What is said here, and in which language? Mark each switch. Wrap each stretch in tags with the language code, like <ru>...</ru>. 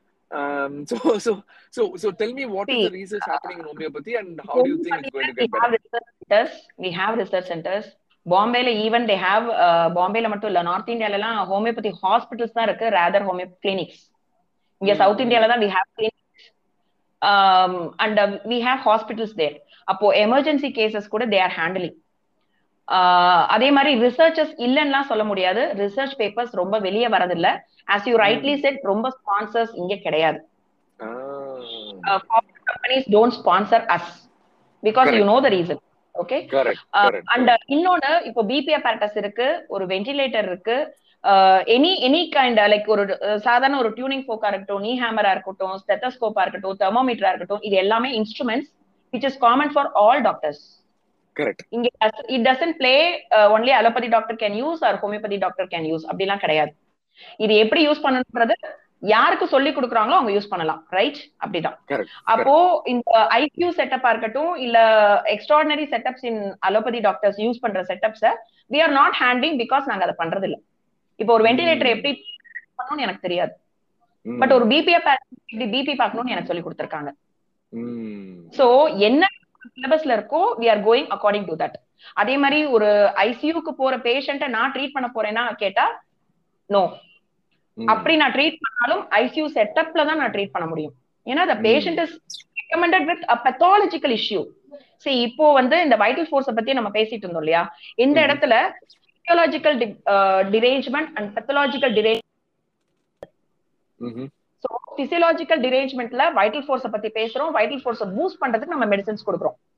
<en>So tell me, what is the research happening in homeopathy and how do you think it's going to get better? We have research centers Bombay la, even they have Bombay</en> <ta>la mattum illa,</ta> <en>North India la homeopathy hospitals</en> <ta>da irukku,</ta> <en>rather home clinics. Inga South India la da we have clinics and we have hospitals there.</en> <ta>Appo</ta> <en>emergency cases</en> <ta>kuda</ta> <en>they are handling.</en> <ta>அதே மாதிரி researchers இல்லைன்னா சொல்ல முடியாது, research papers ரொம்ப வெளியே வரதில்ல.</ta> <en>As you rightly said,</en> <ta>ரொம்ப sponsors இங்க கிடையாது.</ta> <en>Foreign companies don't sponsor us because you know the reason. Okay? Correct.</en> <ta>And இன்னொன்னு, இப்போ பிபி அப்பாரட்டஸ் இருக்கு, ஒரு வென்டிலேட்டர் இருக்கு, எனி கைண்ட் லைக் ஒரு சாதாரண ஒரு டியூனிங் ஃபோக்கா இருக்கட்டும், நீ ஹேமரா இருக்கட்டும், ஸ்டெத்தோஸ்கோப்பா இருக்கட்டும், தெர்மோமீட்டரா இருக்கட்டும், இது எல்லாமே instruments</ta> <en>Which is common for all doctors. Correct. It doesn't play only allopathy doctor can use or homeopathy doctor can use.</en> <ta>அப்படி எல்லாம் கிடையாது. இது எப்படி யூஸ் பண்ணணும்ன்றது யாருக்கு சொல்லி கொடுக்குறாங்களோ அவங்க யூஸ் பண்ணலாம், ரைட்? அப்படிதான். அப்போ இந்த ஐக்யூ செட்டப்பா இருக்கட்டும், இல்ல எக்ஸ்ட்ராடினரி செட்டப்ஸ் இன் அலோபதி டாக்டர்ஸ் யூஸ் பண்ற setups</ta> <en>we are not handing because</en> <ta>நாங்க அதை பண்றது இல்ல. இப்போ ஒரு வென்டிலேட்டர் எப்படி பண்ணணும்னு எனக்கு தெரியாது, பட் ஒரு பிபி எப்படி பிபி பாக்கணும்னு எனக்கு சொல்லி கொடுத்துருக்காங்க. சோ என்ன syllabusல இருக்கோ</ta> <en>we are going according to that.</en> <ta>அதே மாதிரி ஒரு ICUக்கு போற பேஷண்ட்ட நான் ட்ரீட் பண்ண போறேனா கேட்டா நோ. அப்படி நான் ட்ரீட் பண்ணாலும் ICU செட்டப்ல தான் நான் ட்ரீட் பண்ண முடியும். ஏன்னா</ta> <en>the patient is recommended with a pathological issue.</en> <ta>See, இப்போ வந்து இந்த வைட்டல் ஃபோர்ஸ் பத்தி நம்ம பேசிட்டு இருந்தோம் இல்லையா, இந்த இடத்துல</ta> <en>physiological derangement and pathological derangement.</en> <ta>So physiological டிரேஞ்ச்மெண்ட்ல vital force பத்தி பேசுறோம், வைட்டல் ஃபோர்ஸ் பூஸ்ட் பண்றதுக்கு நம்ம மெடிசன்ஸ் கொடுக்குறோம்.</ta>